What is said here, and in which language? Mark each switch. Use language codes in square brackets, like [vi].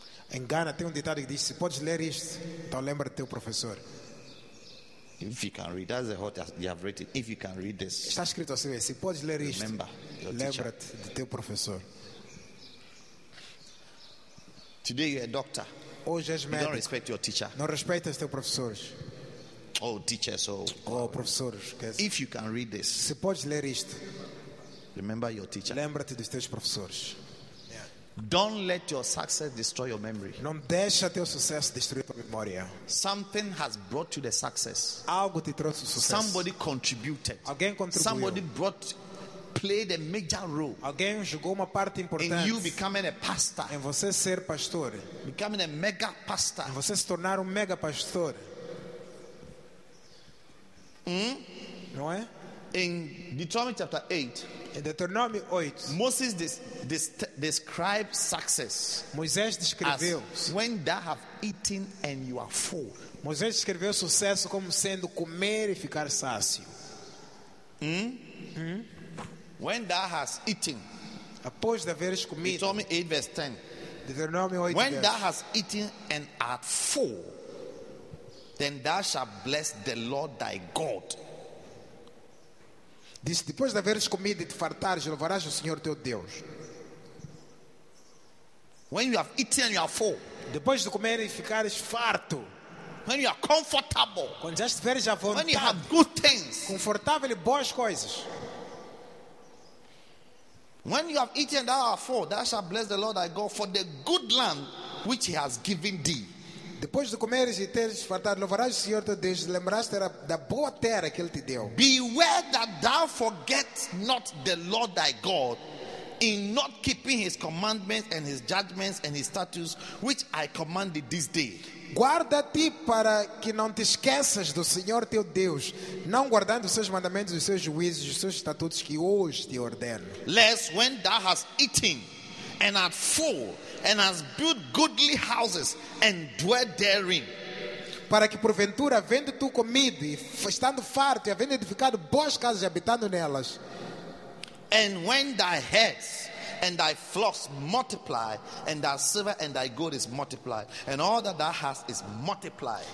[pt] Em Ghana tem ditado que diz, se podes ler isto, então lembra do teu professor. [en] If you can read, that's what you have written. If you can read this, [pt] está escrito assim, se podes ler isto, [en] remember your [pt] lembra [en] teacher. [pt] Do teu professor. [en] Today you're a doctor. [pt] Hoje és médico. [en] You don't respect your teacher. [pt] Não respeitas teu professor. [en] Oh, teachers, oh. [pt] Oh, professores. [en] If you can read this, [pt] se podes ler isto, [en] remember your teacher. [pt] Lembra-te dos teus professores. [en] Don't let your success destroy your memory. [pt] Não deixa teu sucesso destruir tua memória. [en] Something has brought you the success. [pt] Algo te trouxe sucesso. [en] Somebody contributed. [pt] Alguém contribuiu. [en] Somebody brought, played a major role. [pt] Alguém jogou uma parte importante. [en] In you becoming a pastor. [pt] Em você ser pastor. [en] Becoming a mega pastor. [pt] Em você se tornar mega pastor. Não é? [en] In Deuteronomy chapter 8. In Deuteronomy 8, Moses described success. [pt] Moisés descreveu [en] as when thou have eaten and you are full. [pt] Moisés descreveu sucesso como sendo comer e ficar sácio. [en] When thou has eaten, [pt] após de haveres comido. [en] Deuteronomy 8 verse 10. Deuteronomy 8 when thou has eaten and art full, then thou shalt bless the Lord thy God. [pt] Diz, depois de haveres comido e te fartares, louvarás o Senhor teu Deus. [en] When you have eaten and you are full. [pt] Depois de comer e ficares farto. [en] When you are comfortable. [pt] Quando já estiveres à vontade. [en] When you have good things. [pt] Confortável e boas coisas. [en] When you have eaten and thou art full, thou shalt bless the Lord thy God for the good land which he has given thee. [pt] Depois de comeres e teres fartado, louvarás o Senhor teu Deus, lembraste da boa terra que ele te deu. [en] Beware that thou forget not the Lord thy God in not keeping his commandments and his judgments and his statutes which I commanded this day. [pt] Guarda-te para que não te esqueças do Senhor teu Deus, não guardando os seus mandamentos, os seus juízos, os seus estatutos que hoje te ordeno. [en] Lest when thou hast eaten and art full, and has built goodly houses and dwelt therein. [pt] Para que porventura, havendo tu comido e estando farto e havendo edificado boas casas e habitando nelas. [en] And when thy herds and thy flocks multiply, and thy silver and thy gold is multiplied, and all that thou hast is multiplied.